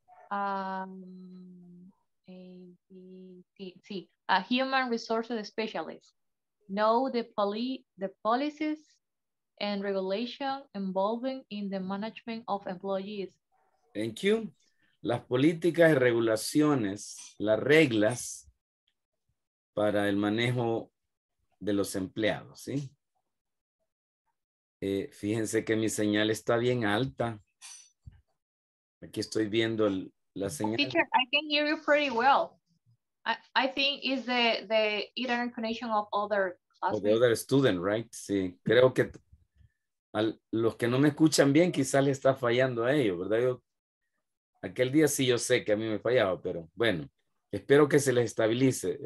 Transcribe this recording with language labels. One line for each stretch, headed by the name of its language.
English: A human resources specialist know the policies and regulation involving in the management of employees. Thank you.
Spanish: Las políticas y regulaciones, las reglas para el manejo de los empleados, ¿sí? Fíjense que mi señal está bien alta. Aquí estoy viendo la señal.
English: Teacher, I can hear you pretty well. I think is the internet connection of other classmates. The other student, right?
Spanish: Sí, creo que los que no me escuchan bien quizás le está fallando a ellos, ¿verdad? Yo, aquel día sí yo sé que a mí me fallaba, pero bueno, espero que se les estabilice.